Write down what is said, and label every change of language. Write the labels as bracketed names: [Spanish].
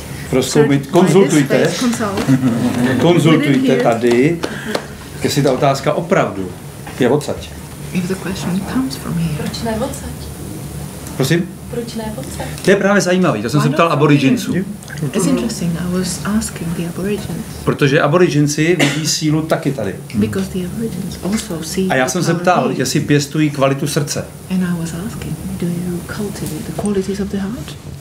[Czech] Prozkoumejte, konzultujte. Konzultujte tady, jestli ta otázka opravdu je odsaď. Proč ne odsaď? Prosím? Proč ne odsaď? To je právě zajímavý, to jsem se ptal aboriginců. [English] It's interesting, I was asking the aborigines. [Czech] Protože aboriginci vidí sílu taky tady. [English] Because the aborigines also see. [Czech] A já jsem se ptal, jestli pěstují kvalitu srdce. [English] And I was asking, do you cultivate the qualities of the heart?